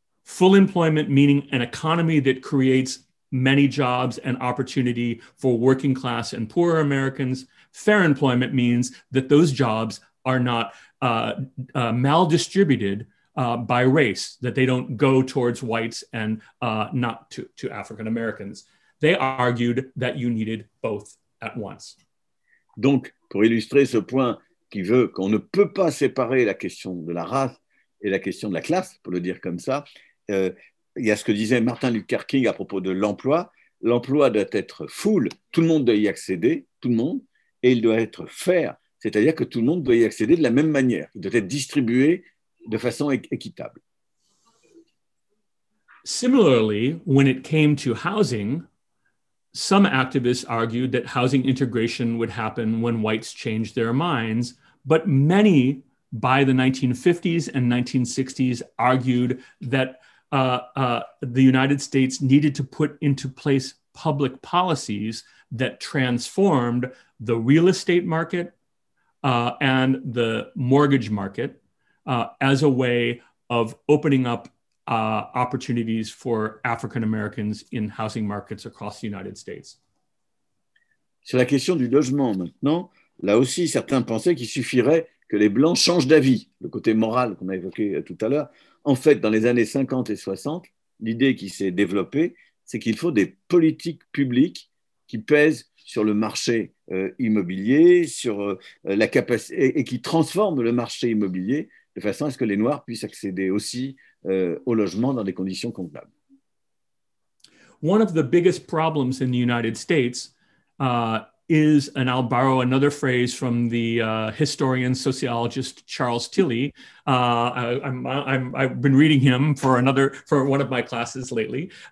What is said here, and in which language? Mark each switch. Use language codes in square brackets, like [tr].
[en] Full employment meaning an economy that creates many jobs and opportunity for working class and poorer Americans. Fair employment means that those jobs are not maldistributed by race, that they don't go towards whites and not to African Americans. They argued that you needed both at once. [fr] Donc, pour illustrer ce point qui veut qu'on ne peut pas séparer la question de la race et la question de la classe, pour le dire comme ça, il y a ce que disait Martin Luther King à propos de l'emploi. L'emploi doit être full, tout le monde doit y accéder, tout le monde, et il doit être fair, c'est-à-dire que tout le monde doit y accéder de la même manière, il doit être distribué de façon équitable. [en] Similarly, when it came to housing, some activists argued that housing integration would happen when whites changed their minds, but many by the 1950s and 1960s argued that the United States needed to put into place public policies that transformed the real estate market and the mortgage market as a way of opening up opportunities for African Americans in housing markets across the United States. [fr] Sur la question du logement maintenant, là aussi certains pensaient qu'il suffirait que les Blancs changent d'avis, le côté moral qu'on a évoqué tout à l'heure. En fait, dans les années 50 et 60, l'idée qui s'est développée, c'est qu'il faut des politiques publiques qui pèsent sur le marché immobilier, sur la capacité et qui transforment le marché immobilier de façon à ce que les Noirs puissent accéder aussi au logement dans des conditions convenables. [en] One of the biggest problems in the United States is, and I'll borrow another phrase from the historian sociologist Charles Tilly. I've been reading him for one of my classes lately.